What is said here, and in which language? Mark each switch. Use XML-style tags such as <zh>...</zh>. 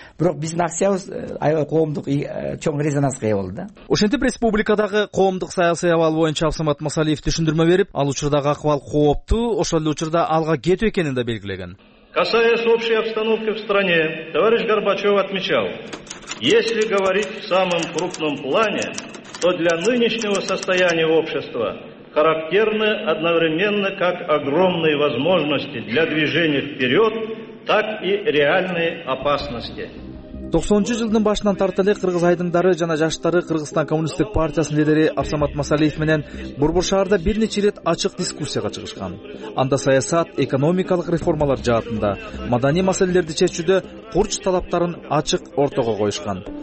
<ky>Бирок биздин акциябыз аябай коомдук чоң резонанска ээ болду да. Ошентип республикадагы коомдук саясий абал боюнча Абсамат Масалиев түшүндүрмө берип, ал учурдагы акыбал кооптуу, ошол эле учурда алга кетүү экенин да белгилеген.</ky> <ru>Касаясь общей обстановки в стране, товарищ Горбачев отмечал: если говорить в самом крупном плане, то для нынешнего состояния общества характерны одновременно как огромные возможности для движения вперед, так и реальные опасности.</ru> <ky>90-жы жылдын башынан тартып эле кыргыз айдындары жана жаштары Кыргызстан коммунисттик партиясынын лидери Абсамат Масалиев менен Борбор шаарында бир нече ирет ачык дискуссияга чыгышкан. Анда саясат, экономикалык реформалар жаатында, маданий маселелерди чечүүдө курч талаптарын ачык ортого коюшкан.</ky>